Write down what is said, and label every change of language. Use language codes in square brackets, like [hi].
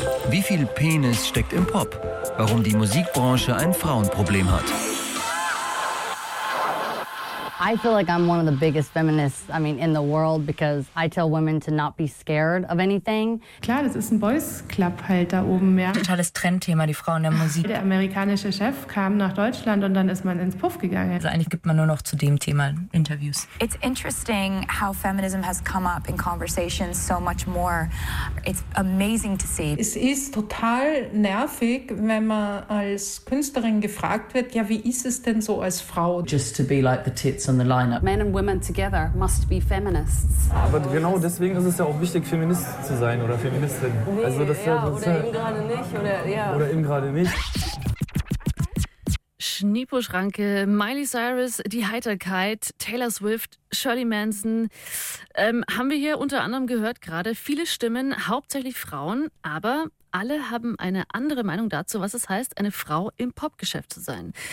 [de] Wie viel Penis steckt im Pop? Warum die Musikbranche ein Frauenproblem hat? [en] I feel like I'm one of the biggest feminists, I mean, in the world, because I tell women to not be scared of anything. [de] Klar, das ist ein Boys Club halt da oben, ja. Totales Trendthema, die Frauen der Musik. Der amerikanische Chef kam nach Deutschland und dann ist man ins Puff gegangen. Also eigentlich gibt man nur noch zu dem Thema Interviews. [en] It's interesting how feminism has come up in conversations so much more. It's amazing to see. [de] Es ist total nervig, wenn man als Künstlerin gefragt wird, ja, wie ist es denn so als Frau? [en] Just to be like the tip. On the lineup. Men and women together must be feminists. [de] Aber genau deswegen ist es ja auch wichtig, Feminist zu sein oder Feministin. Nee, also das ja, oder eben gerade nicht. Oder eben gerade nicht. Schnipo-Schranke, Miley Cyrus, die Heiterkeit, Taylor Swift, Shirley Manson. Haben wir hier unter anderem gehört gerade viele Stimmen, hauptsächlich Frauen, aber alle haben eine andere Meinung dazu, was es heißt, eine Frau im Popgeschäft zu sein.